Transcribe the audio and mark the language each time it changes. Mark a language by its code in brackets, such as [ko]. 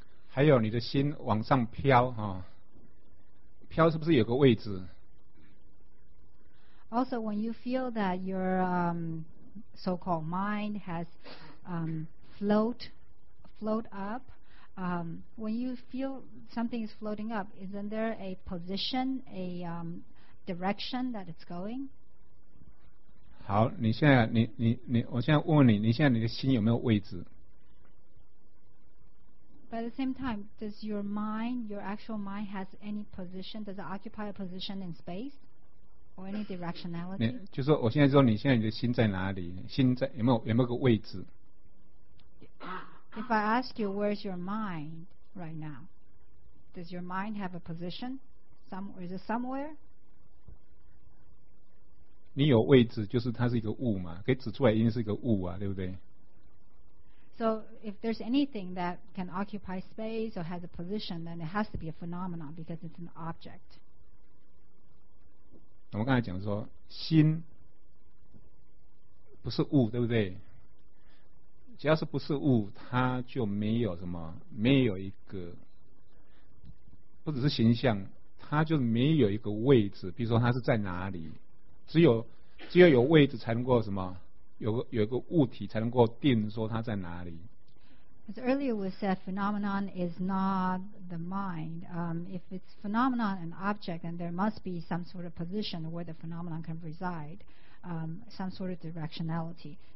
[zh] 还有你的心往上飘啊，飘是不是有个位置？ [en] Also, when you feel that your so-called mind has float up, when you feel something is floating up, isn't there a position, a direction that it's going? [zh] 好，你现在你我现在问你，你现在你的心有没有位置？ [en] By the same time, does your mind, your actual mind, has any position? Does it occupy a position in space? Or any directionality? [zh] 就说我现在说你现在你的心在哪里？心在有没有个位置 [en] ？If I ask you where's your mind right now, does your mind have a position? Is it somewhere? [zh] 你有位置，就是它是一个物嘛，可以指出来一定是一个物啊，对不对 [en] ？So if there's anything that can occupy space or has a position, then it has to be a phenomenon because it's an object. [zh] 我们刚才讲说心不是物，对不对？只要是不是物，它就没有什么，没有一个或者是形象，他就没有一个位置，比如说他是在哪里，只有有位置才能够什么，有个物体才能够定说他在哪里。 [en] As earlier was said, phenomenon is not the mind. If it's phenomenon an object, then there must be some sort of position where the phenomenon can reside, some sort of directionality.